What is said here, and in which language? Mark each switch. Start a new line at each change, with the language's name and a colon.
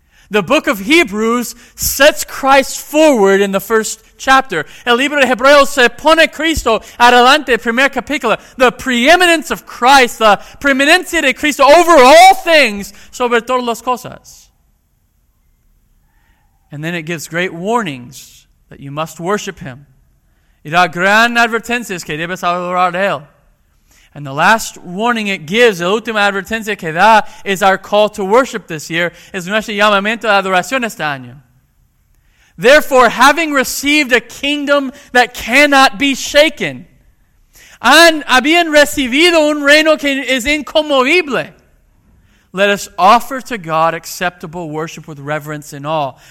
English: The book of Hebrews sets Christ forward in the first chapter.
Spanish: El libro de Hebreos se pone Cristo adelante, primer capítulo.
English: The preeminence of Christ, the preeminencia de Cristo over all things, sobre todas las cosas. And then it gives great warnings that you must worship him.
Spanish: Y da gran advertencias que debes adorar a él.
English: And the last warning it gives, la última advertencia que da, is our call to worship this year, es nuestro llamamiento de adoración este año. Therefore, having received a kingdom that cannot be shaken, and habiendo recibido un reino que es inconmovible, let us offer to God acceptable worship with reverence and awe.